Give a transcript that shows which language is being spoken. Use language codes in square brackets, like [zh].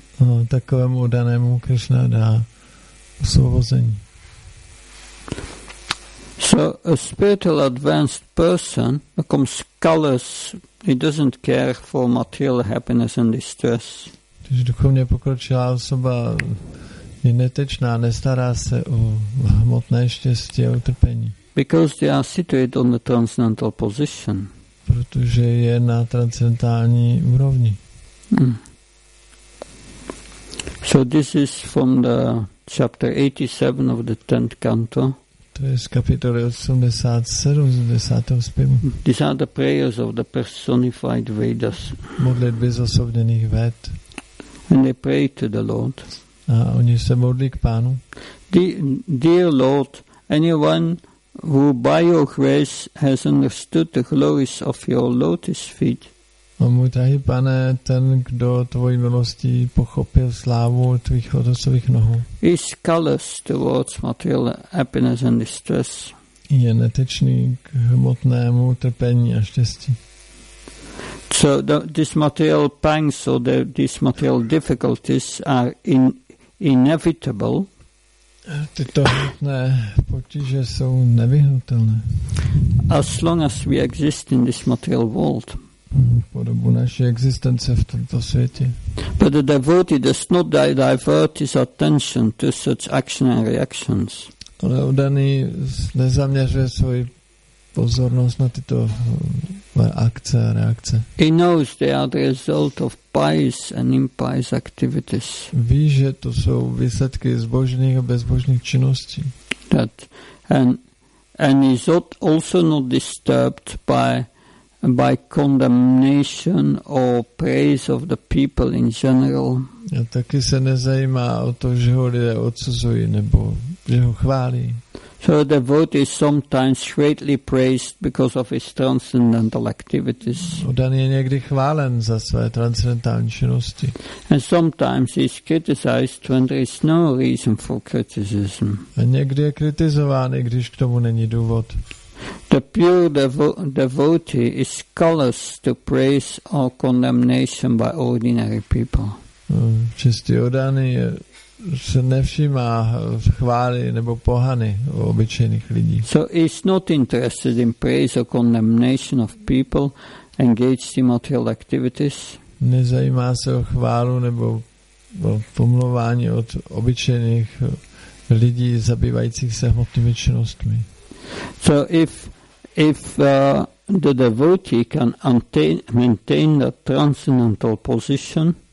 [cs] No, takovému danému Krishna dá osvobození. [en] So a spiritual advanced person becomes callous. He doesn't care for material happiness and distress. [cs] Takže duchovně pokročilá osoba je netečná, nestará se o hmotné štěstí a utrpení. [en] Because they are situated on the transcendental position. [cs] Protože je na transcendentální úrovni. Mm. [en] So this is from the chapter 87 of the 10th canto. [cs] To je z kapitoly 87 z 10. zpěvu. [en] These are the prayers of the personified Vedas. [cs] Modlitby zosobněných Véd. [en] And they pray to the Lord. [cs] A oni se modlí k Pánu. [en] Dear Lord, anyone who by your grace has understood the glories of your lotus feet. [cs] A můj drahý Pane, ten, kdo tvojí milostí pochopil slávu tvých lotosových nohů. [en] Is callous towards material happiness and distress. [cs] Je netečný k hmotnému trpení a štěstí. [en] So this material pangs or these material difficulties are inevitable. [cs] Tyto hmotné potíže jsou nevyhnutelné. [en] As long as we exist in this material world. [cs] Po dobu naší existence v tomto světě. [en] But the devotee does not divert his attention to such action and reactions. [cs] Ale oddaný nezaměřuje svoji pozornost na tyto akce a reakce. [en] He knows they are the result of pious and impious activities. Ví, že to jsou výsledky zbožných a bezbožných činností. That, and and is also not disturbed by condemnation or praise of the people in general. [cs] A taky se nezajímá o to, že ho lidé odsuzují nebo že ho chválí. [en] So a devotee is sometimes greatly praised because of his transcendental activities. [cs] Odan je někdy chválen za své transcendentální činnosti. [en] And sometimes he is criticized when there is no reason for criticism. [cs] A někdy je kritizován, i když k tomu není důvod. [en] The pure devotee is callous to praise or condemnation by ordinary people. [cs] Čistý odaný se nevšímá chvály nebo pohany obyčejných lidí. [en] So he's not interested in praise or condemnation of people engaged in material activities. [cs] Nezajímá se o chválu nebo o pomlouvání od obyčejných lidí zabývajících se hmotnými činnostmi. [en] So if the devotee can maintain the transcendental position,